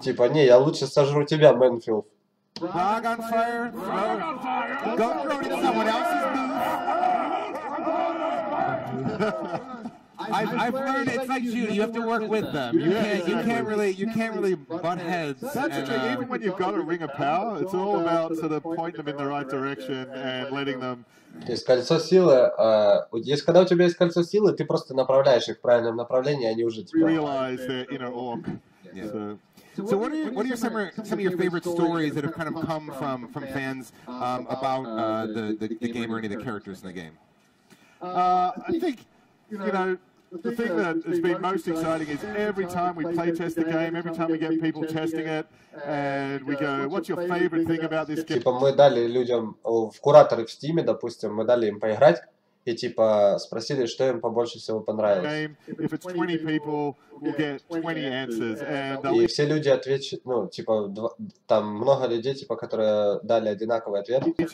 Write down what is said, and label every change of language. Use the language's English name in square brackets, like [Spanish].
[Russian] Типа, не, я лучше сожру тебя, Мэнфилд. [English] Frog on fire, don't throw it in someone else's booth. I've learned it's like shooting, you have to work with them. You can't, exactly. you can't really butt heads. That's and, true, even when you've got a ring of power, it's all about sort of pointing them in the right direction and letting them... [Russian] То есть кольцо силы, если когда у тебя есть кольцо силы, ты просто направляешь их в правильном направлении, они уже тебя... [English] Realize their inner orc. Yeah. So what are some of your favorite stories that have kind of come from fans about the game or any of the characters in the game? I think, you know, the thing that has been most exciting is every time we play test the game, every time we get people testing it, and we go, what's your favorite thing about this game? [Russian] Типа мы дали людям, в кураторы в Steam, допустим, мы дали им поиграть, и типа спросили, что им побольше всего понравилось. И все люди ответят, ну, типа, там много людей, типа, которые дали одинаковый ответ.